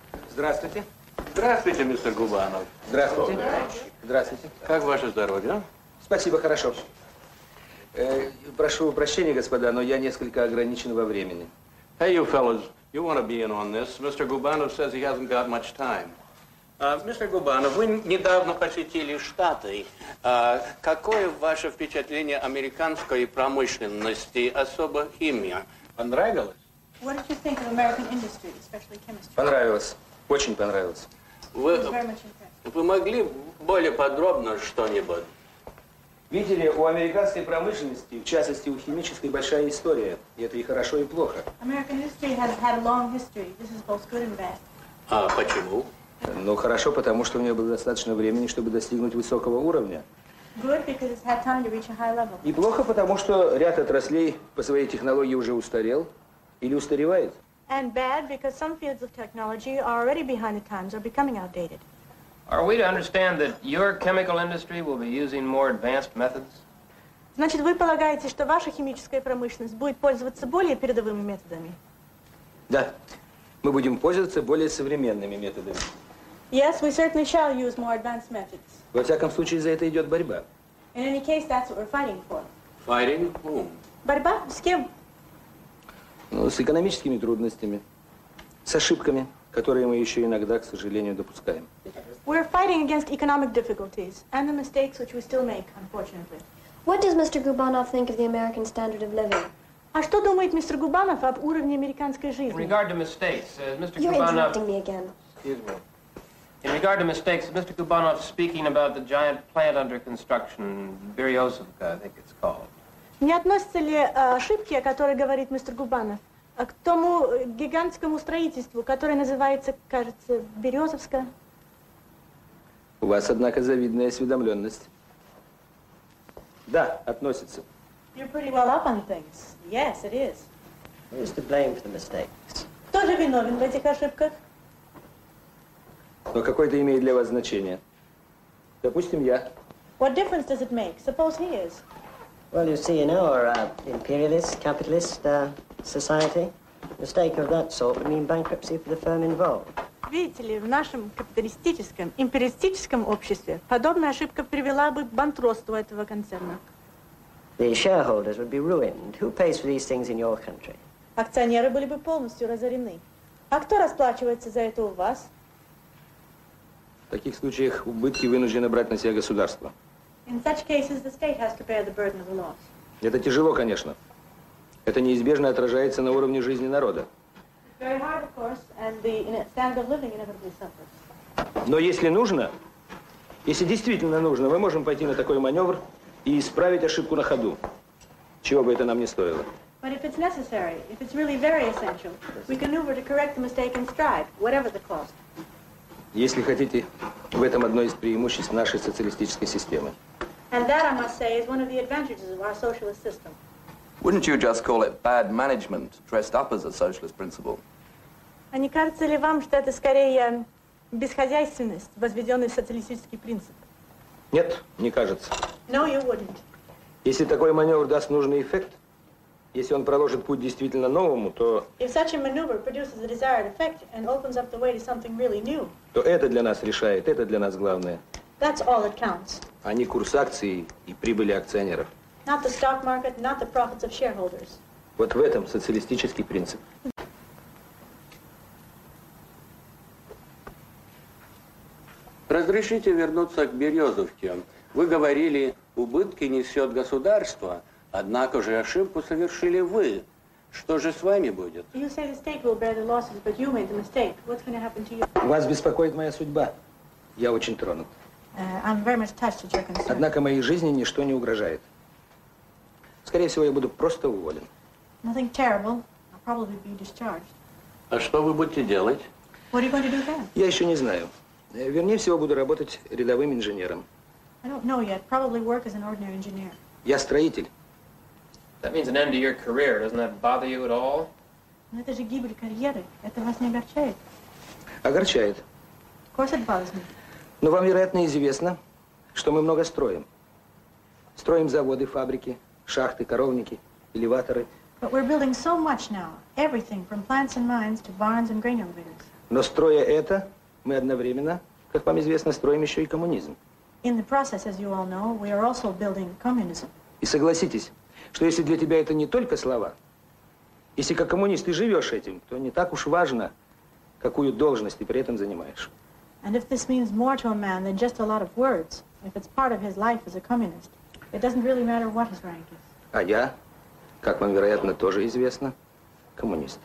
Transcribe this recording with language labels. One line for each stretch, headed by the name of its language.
Russian: Здравствуйте, мистер Губанов. Здравствуйте. Здравствуйте. Как ваше здоровье? Спасибо, хорошо. Прошу прощения, господа, но я несколько ограничен во времени.
English: Hey, you fellows, you want to be in on this? Mr. Губанов says he hasn't got much time. Mr.
Russian: Губанов, вы недавно посетили Штаты. Какое ваше впечатление американской промышленности, особо химия? Понравилось?
English: What did you think of American industry, especially chemistry?
Russian: Понравилось. Очень понравилось. Вы могли более подробно что-нибудь? Видели, у американской промышленности, в частности, у химической, большая история. И это и хорошо, и плохо.
English: American history has had a long history. This is both good and bad.
Russian: А почему? Ну, хорошо, потому что у нее было достаточно времени, чтобы достигнуть высокого уровня.
English: Good, because it's had time to reach a high level.
Russian: И плохо, потому что ряд отраслей по своей технологии уже устарел или устаревает.
English: And bad because some fields of technology are already behind the times or becoming outdated. Are we to understand that your chemical industry will be using more advanced methods?
Russian: Значит, вы полагаете, что ваша химическая промышленность будет пользоваться более передовыми методами? Да. Мы будем пользоваться более современными методами.
English: Yes, we certainly shall use more advanced methods.
Russian: Во всяком случае, за это идет борьба.
English: In any case, that's what we're fighting for. Fighting whom?
Russian: Борьба с кем? Ну, с экономическими трудностями, с ошибками, которые мы еще иногда, к сожалению, допускаем.
English: We're fighting against economic difficulties and the mistakes which we still make, unfortunately. What does Mr. Губанов think of the American standard of living?
Russian: А что думает мистер Губанов об уровне американской жизни?
English: In regard to mistakes, Mr. You're Губанов... You're interrupting me again. Excuse me. In regard to mistakes, Mr. Губанов speaking about the giant plant under construction, Berezovka, I think it's called.
Russian: Не относятся ли ошибки, о которой говорит мистер Губанов, к тому гигантскому строительству, которое называется, кажется, Березовска? У вас, однако, завидная осведомленность. Да, относится.
English: You're pretty well up on things. Yes, it is. Who's to blame for the mistakes?
Russian: Кто же виновен в этих ошибках? Но какое это имеет для вас значение? Допустим, я.
English: What difference does it make? Suppose he is. Well, you see, in our imperialist, capitalist society, mistake of that sort would mean bankruptcy for the firm involved.
Russian: Видите ли, в нашем капиталистическом, империалистическом обществе подобная ошибка привела бы к банкротству этого концерна.
English: The shareholders would be ruined. Who pays for these things in your country?
Russian: Акционеры были бы полностью разорены. А кто расплачивается за это у вас? В таких случаях убытки вынуждены брать на себя государство.
English: In such cases, the state has to bear the burden of the loss.
Russian: Это тяжело, конечно. Это неизбежно отражается на уровне жизни народа.
English: It's very hard, of course, and the standard of living inevitably suffers.
Russian: Но если нужно, если действительно нужно, мы можем пойти на такой маневр и исправить ошибку на ходу, чего бы это нам ни стоило.
English: But if it's necessary, if it's really very essential, we can maneuver to correct the mistake and strive, whatever the cost.
Russian: Если хотите, в этом одно из преимуществ нашей социалистической системы.
English: And that, I must say, is one of the advantages of our socialist system. Wouldn't you just call it bad management dressed up as a socialist principle?
Russian: А не кажется ли вам, что это скорее бесхозяйственность, возведенный в социалистический принцип? Нет, не кажется.
English: No, you wouldn't.
Russian: Если такой маневр даст нужный эффект, если он проложит путь действительно новому, то...
English: If such a maneuver produces the desired effect and opens up the way to something really new...
Russian: То это для нас решает, это для нас главное.
English: That's all that counts.
Russian: А не курс акций и прибыли акционеров.
English: Not the stock market, not the profits of shareholders.
Russian: Вот в этом социалистический принцип. Разрешите вернуться к Березовке. Вы говорили Убытки несет государство, однако же ошибку совершили вы. Что же с вами будет?
English: You say the state will bear the losses, but you made the mistake. What's going to happen to you?
Russian: Вас беспокоит моя судьба. Я очень тронут.
English: I'm very much touched at your concern.
Russian: Однако моей жизни ничто не угрожает. Скорее всего, я буду просто уволен.
English: Nothing terrible. I'll probably be discharged.
Russian: А что вы будете делать?
English: What are you going to do then?
Russian: Я еще не знаю. Вернее всего, буду работать рядовым инженером.
English: I don't know yet. Probably work as an ordinary engineer.
Russian: Я строитель.
English: That means an end to your career. Doesn't that bother you at all?
Russian: Но это же гибель карьеры. Это вас не огорчает? Огорчает.
English: Of course it bothers me.
Russian: Но вам, вероятно, известно, что мы много строим. Строим заводы, фабрики, шахты, коровники, элеваторы.
English: But we're building so much now. Everything from plants and mines to barns and grain elevators.
Russian: Но строя это, мы одновременно, как вам известно, строим еще и коммунизм.
English: In the process, as you all know, we are also building communism.
Russian: И согласитесь, что если для тебя это не только слова, если как коммунист ты живешь этим, то не так уж важно, какую должность ты при этом занимаешь.
English: And if this means more to a man than just a lot of words, if it's part of his life as a communist, it doesn't really matter what his rank is.
Russian: А я, как вам, вероятно, тоже известно, коммунист.